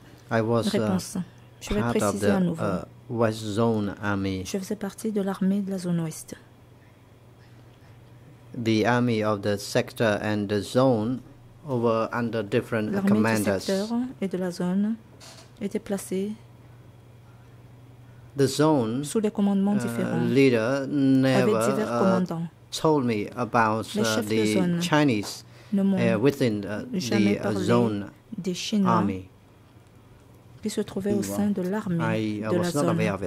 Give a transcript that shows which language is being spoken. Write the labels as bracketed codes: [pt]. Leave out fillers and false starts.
[en] I was part of the West Zone Army. [fr] Je faisais partie de l'armée de la zone ouest. [en] The army of the sector and the zone were under different commanders. [fr] L'armée du secteur et de la zone était placée. [en] The zone [fr] sous les commandements différents. [en] Leader never told me about the Chinese within the zone army. [fr] Qui se trouvait au sein de l'armée de la zone.